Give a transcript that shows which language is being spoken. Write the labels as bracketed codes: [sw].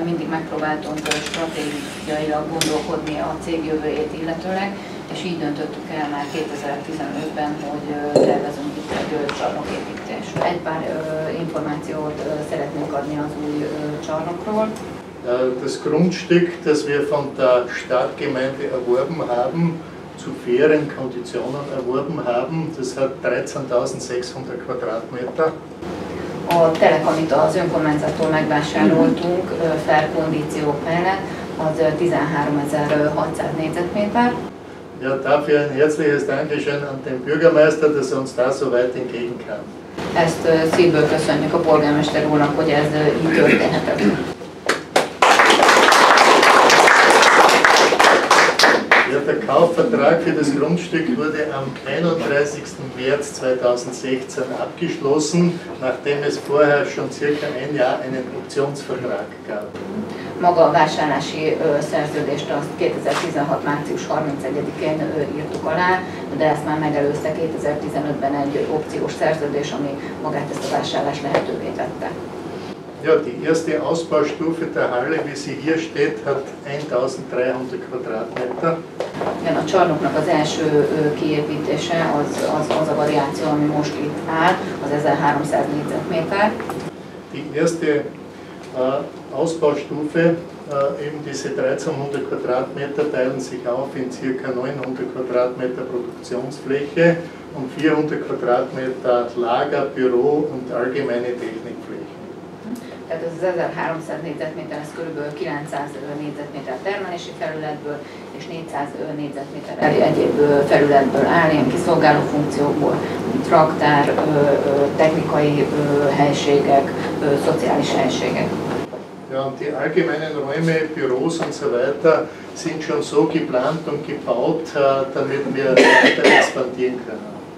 [hu] megpróbáltam stratégiailag gondolkodni a cég jövőjét illetőleg, és így döntöttük el már 2015-ben, hogy tervezünk itt egy csarnok építést. Egy pár információt szeretnénk adni az új csarnokról. [de] Das Grundstück, das wir von der Stadtgemeinde erworben haben, zu fairen Konditionen erworben haben, das hat 13.600 Quadratmeter. [hu] A telek, amit az önkormányzattól megvásároltunk fair kondíciók mellett, az 13.600 négyzetméter. [de] Ja, dafür ein herzliches Dankeschön an den Bürgermeister, dass er uns da so weit entgegen kam. [hu] Ezt szívből köszönjük a polgármester úrnak, hogy ez így történhetett. [de] Der Kaufvertrag für das Grundstück wurde am 31. März 2016 abgeschlossen, nachdem es vorher schon circa ein Jahr einen Optionsvertrag gab. [hu] Maga a vásárlási szerződést azt 2016. március 31-én írtuk alá, de ezt már megelőzte 2015-ben egy opciós szerződés, ami magát ezt a vásárlást lehetővé tette. [de] Ja, die erste Ausbaustufe der Halle, wie sie hier steht, hat 1300 Quadratmeter. [hu] Igen, a csarnoknak az első kiépítése, az a variáció, ami most itt áll, az 1300 négyzetméter. [de] Die erste Ausbaustufe, eben diese 1300 Quadratmeter, teilen sich auf in ca. 900 Quadratmeter Produktionsfläche und 400 Quadratmeter Lager, Büro und allgemeine Technikfläche. [hu] Tehát az 1300 négyzetméter, ez körülbelül 900 négyzetméter termelési felületből, és 400 négyzetméter egyéb felületből áll, ilyen kiszolgáló funkciókból, traktár, technikai helységek, szociális helységek. [de] Ja, und die allgemeinen Räume, Büros und so weiter sind schon so geplant und gebaut, damit wir weiter expandieren können.